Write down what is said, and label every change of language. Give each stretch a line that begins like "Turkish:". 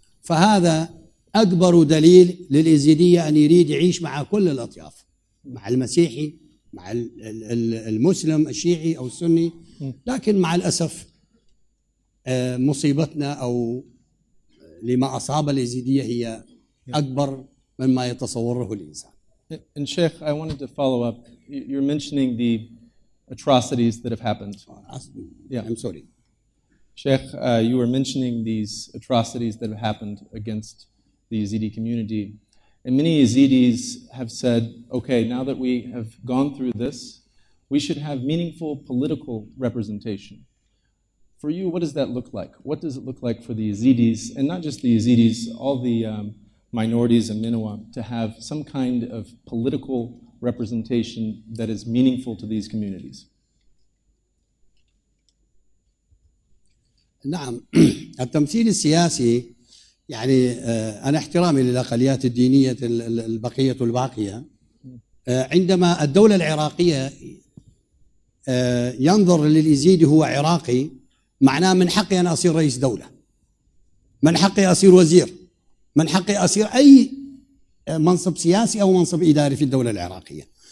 Arabic: فهذا أكبر دليل للإزيدية أن يريد يعيش مع كل الأطياف، مع المسيحي، مع المسلم الشيعي أو السني. لكن مع الأسف مصيبتنا أو لما أصاب الإزيدية هي أكبر مما يتصوره الإنسان.
English: And Sheikh, I wanted to follow up. You're mentioning the atrocities that have happened. Yeah. I'm sorry. Sheikh, you were mentioning these atrocities that have happened against the Yezidi community. And many Yezidis have said, okay, now that we have gone through this, we should have meaningful political representation. For you, what does that look like? What does it look like for the Yezidis, and not just the Yezidis, all the minorities in Nineveh, to have some kind of political representation that is meaningful to these communities?
Arabic: نعم، التمثيل السياسي يعني أنا احترامي للأقليات الدينية البقية والباقية. عندما الدولة العراقية ينظر لليزيدي هو عراقي، معناه من حقي أن أصير رئيس دولة، من حقي أصير وزير، من حقي أصير أي منصب سياسي أو منصب إداري في الدولة العراقية.